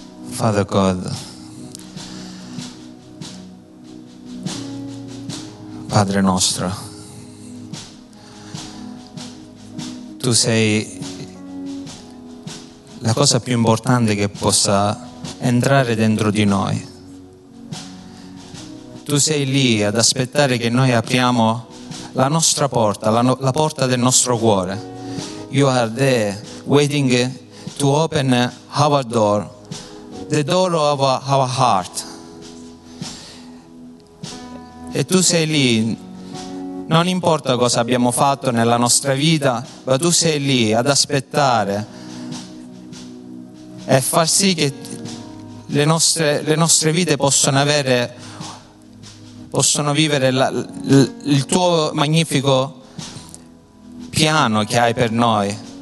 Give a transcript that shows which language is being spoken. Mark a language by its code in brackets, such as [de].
[en] Father God, [it] Padre nostro, tu sei la cosa più importante che possa entrare dentro di noi. Tu sei lì ad aspettare che noi apriamo la nostra porta, la porta del nostro cuore. [en] You are there waiting to open our door, the door of our heart. [it] E tu sei lì Non importa cosa abbiamo fatto nella nostra vita, ma tu sei lì ad aspettare e far sì che le nostre vite possano avere, possono vivere il tuo magnifico piano che hai per noi.